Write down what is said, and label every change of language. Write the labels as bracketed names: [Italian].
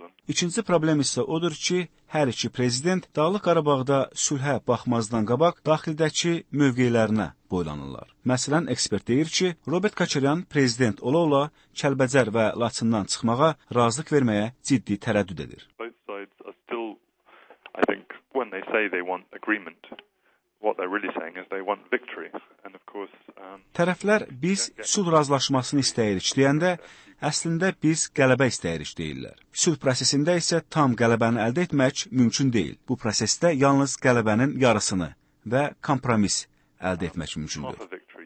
[Azerbaijani] İkinci problem isə odur ki, hər iki prezident Dağlıq Qarabağda sülhə baxmazdan qabaq daxildəki mövqeylərinə boylanırlar. Məsələn, ekspert deyir ki, Robert Kaçaryan prezident ola-ola Kəlbəcər və Laçından çıxmağa razılıq verməyə ciddi tərəddüd edir. [English] What they're really saying is they want victory. And of course, [Azerbaijani] tərəflər biz sülh razılaşmasını istəyirik deyəndə, əslində biz qələbə istəyirik deyirlər. Sülh prosesində isə tam qələbəni əldə etmək mümkün deyil. Bu prosesdə yalnız qələbənin yarısını və kompromis əldə etmək mümkündür.